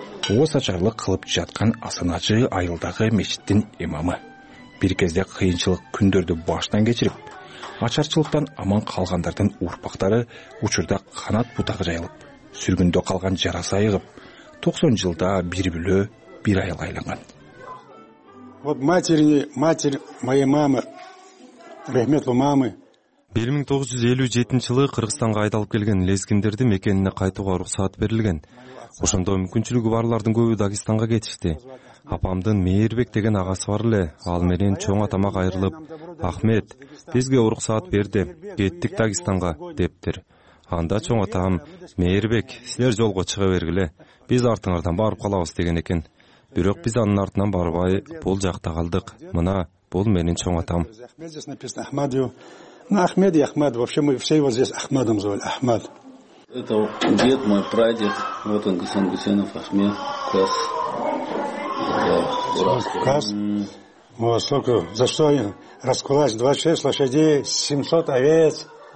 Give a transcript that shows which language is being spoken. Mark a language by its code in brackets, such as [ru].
[ky] Ооз ачарлык кылып жаткан асанажы айылдагы мечиттин имамы. Бир кезде кыйынчылык күндөрдү баштан кечирип, ачарчылыктан аман калгандардын урпактары учурда канат бутагы жайылып, сүргүндө калган жарасы айыгып, 90 жылда бир бүлө бир айыл айланган. [ru] Вот матерь моей мамы, рахметлу мамы. [ky] 1957 жылы Кыргызстанга айдалып келген лезгиндерди мекенине кайтууга уруксат берилген. Ошондо мүмкүнчүлүгү барлардын көбү Дагестанга кетишти. Апамдын Мээрбек деген агасы бар эле, ал менен чоң атама кайрылып, Ахмет, бизге уруксат берди, кеттик Дагестанга, дептир. Анда чоң атам, Мээрбек, силер жолго чыга бергиле, биз артыңардан барып калабыз деген экен. Бирок биз анын артынан барбай, бул жакта калдык. Мына, бул менин чоң атам. [ru] Ахмед и Ахмед. Вообще мы все его здесь Ахмедом звали. Ахмед. Это дед мой, прадед. Вот он, Гасан Гусенов, Ахмед. Кас. Кас. Вот сколько. За что раскулач? 26 лошадей, 700 овец.